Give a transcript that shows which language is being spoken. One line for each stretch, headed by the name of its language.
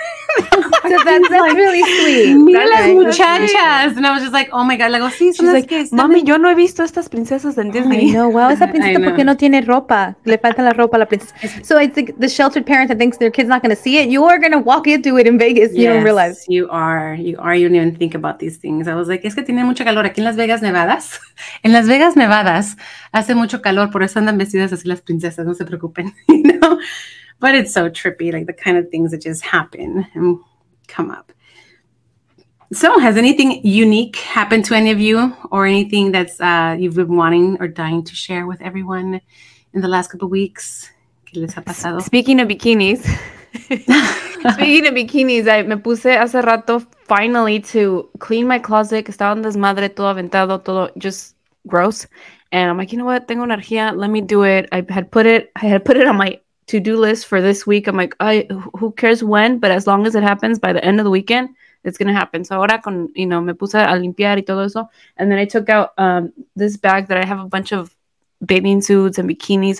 English: So that's like, really sweet.
Spanish: Mira las muchachas.
English: And I was just like, oh my God. Like, oh, sí, she's like,
Spanish: mami, yo no he visto estas princesas en Disney.
English: I know. Wow,
Spanish: esa princesa porque no tiene ropa. Le falta la ropa a la princesa.
English: So I think the sheltered parent that thinks their kid's not going to see it, you're going to walk into it in Vegas. Yes, you don't realize. You are. You are. You don't even think about these things. I was like,
Spanish: es que tiene mucho calor aquí en Las Vegas, Nevada. En Las Vegas, Nevada, hace mucho calor. Por eso andan vestidas así las princesas. No se preocupen.
English: But it's so trippy, like the kind of things that just happen and come up. So has anything unique happened to any of you or anything that's you've been wanting or dying to share with everyone in the last couple of weeks?
Spanish: ¿Qué les ha pasado?
English: Speaking of bikinis, I
Spanish: me puse hace rato
English: finally to clean my closet.
Spanish: Estaba en desmadre, todo aventado, todo
English: just gross. And I'm like, you know what?
Spanish: Tengo energía.
English: Let me do it. I had put it on my to-do list for this week. I'm like, who cares when, but as long as it happens by the end of the weekend, it's going to happen. So
Spanish: ahora con,
English: you know,
Spanish: me puse a limpiar y todo eso.
English: And then I took out this bag that I have a bunch of bathing suits and bikinis.